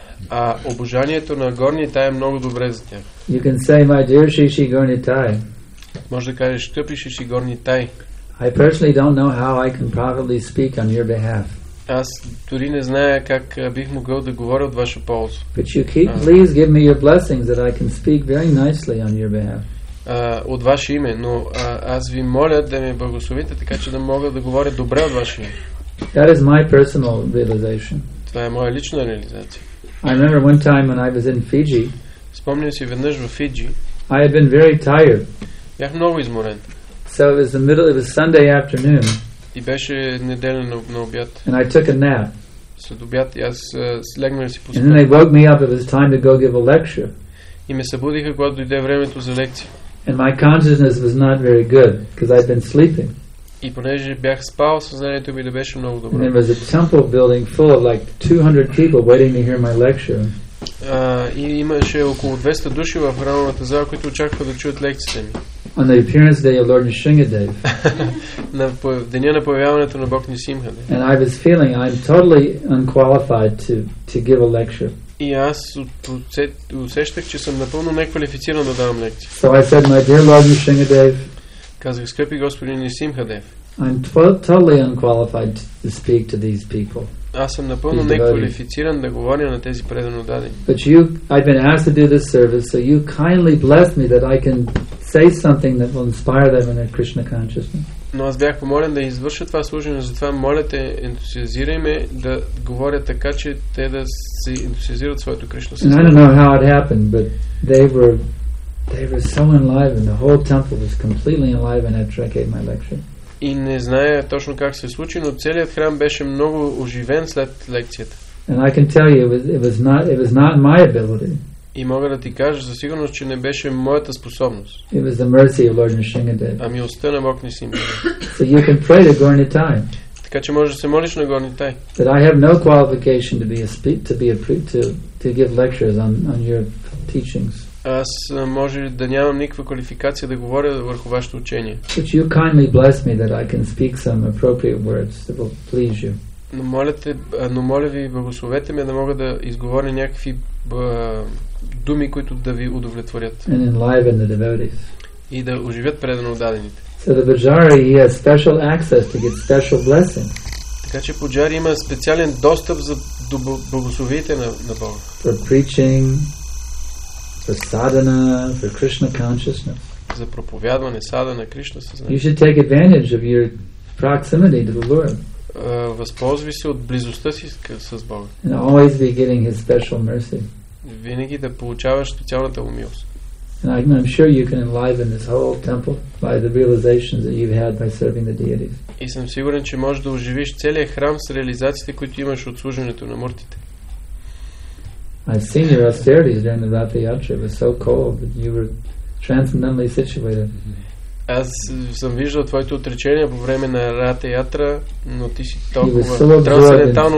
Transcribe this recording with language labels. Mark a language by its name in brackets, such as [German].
[Bulgarian] А обожанието на Горнитай е много добре за тях. [English] You can say, my dear Shishi Gornitai. [Bulgarian] Може да кажеш, скъпи Шиши Горнитай. [English] I personally don't know how I can properly speak on your behalf. [Bulgarian] Аз дори не зная как бих могъл да говоря от ваша полза. [English] But you keep, please give me your blessings that I can speak very nicely on your behalf. [Bulgarian] От ваше име, но аз ви моля да ме благословите, така че да мога да говоря добре от ваше име. [English] That is my personal realization. [Bulgarian] Това е моя лична реализация. [English] I remember one time when I was in Fiji. [Bulgarian] Спомням си веднъж в Фиджи. [English] I had been very tired. [Bulgarian] Бях много изморен. [English] So it was the middle, it was Sunday afternoon. [Bulgarian] И беше неделя на обяд. [English] And I took a nap. [Bulgarian] След обяд и аз легнах си поспах. [English] And then they woke me up, it was time to go give a lecture. [Bulgarian] И ме събудиха, когато дойде времето за лекция. [English] And my consciousness was not very good because I'd been sleeping. [Bulgarian] И понеже бях спал, съзнанието ми не беше много добро. [English] And there was a temple building full of like 200 people waiting to hear my lecture. [Bulgarian] И имаше около 200 души в храмовата зала, които очакваха да чуят лекциите ми. [English] On the appearance day of Lord Nrisimhadev. [Bulgarian] На деня на появяването на Бог Нисимхадев. [English] And I was feeling I'm totally unqualified to give a lecture. [Bulgarian] И аз усещах, че съм напълно неквалифициран да давам лекция. [English] So I said, my dear Lord Nrisimhadev. [Bulgarian] Казах, скъпи Господин Нисимхадев. [English] I'm totally unqualified to speak to these people. [Bulgarian] Аз съм напълно неквалифициран да говоря на тези преданодади. [English] But you, I've been asked to do this service, so you kindly bless me that I can say something that will inspire them in their Krishna consciousness. [Bulgarian] Но аз бях помолен да извърша това служение, затова моля те, ентусиазирай ме да говоря така, че те да се ентусиазират своето Кришна съзнание. [English] I don't know how it happened, but they were so enlivened. The whole temple was completely enlivened after I gave my lecture. [Bulgarian] И не зная точно как се случи, но целият храм беше много оживен след лекцията. [English] And I can tell you it was not my ability. [Bulgarian] И мога да ти кажа със сигурност, че не беше моята способност. [English] It was the mercy of Lord Nrisimhadev. [Bulgarian] А милостта на Бог Нисимхадев. [English] So you can pray to Gornitai. [Bulgarian] Така че можеш да се молиш на Горнитай. [English] That I have no qualification to be a speak, to give lectures on your teachings. [Bulgarian] Аз може да нямам никаква квалификация да говоря върху вашето учение. [English] But you kindly bless me that I can speak some appropriate words that will please you. [Bulgarian] Но моля ви, благословете ме да мога да изговоря някакви думи, които да ви удовлетворят. [English] And enliven the devotees. [Bulgarian] И да оживят преданодадените. [English] So the Pujari, he has special access to get special blessings. [Bulgarian] Така че Пуджари има специален достъп за да благословите на, на Бога. [English] For preaching, for sadhana, for Krishna consciousness. [Bulgarian] За проповядване, садана, Кришна съзнание. [English] You should take advantage of your proximity to the Lord. [Bulgarian] Възползвай се от близостта си с Бога. [English] And always be getting His special mercy. [Bulgarian] Винаги да получаваш специалната му милост. [English] And I'm sure you can enliven this whole temple by the realizations that you've had by serving the deities. [Bulgarian] И съм сигурен, че можеш да оживиш целия храм с реализациите, които имаш от служенето на муртите. [English] I've seen your austerities during the Ratha Yatra. It was so cold, but you were transcendently situated. [Bulgarian] Аз съм виждал твоето отречение по време на Ратха Ятра, но ти си толкова трансцендентално